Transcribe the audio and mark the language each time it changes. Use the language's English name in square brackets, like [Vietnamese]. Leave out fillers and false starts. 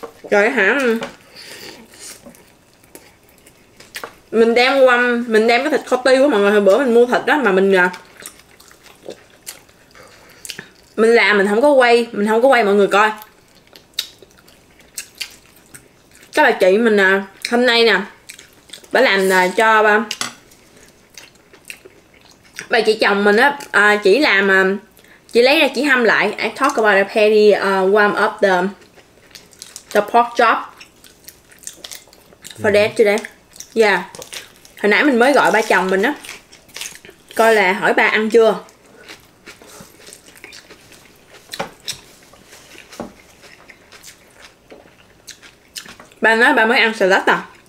[Vietnamese] Trời hả, mình đem qua, mình đem cái thịt kho tiêu của mọi người. Hồi bữa mình mua thịt đó mà mình làm mình không có quay, mình không có quay mọi người coi. Các bà chị mình hôm nay nè, bà làm cho bà chị chồng mình á, chỉ làm, chỉ lấy ra chỉ hâm lại. [English] I talk about a patty, warm up the pork chop for that today. Yeah. [Vietnamese] Hồi nãy mình mới gọi ba chồng mình á, coi là hỏi ba ăn chưa. Ba nói ba mới ăn salad à.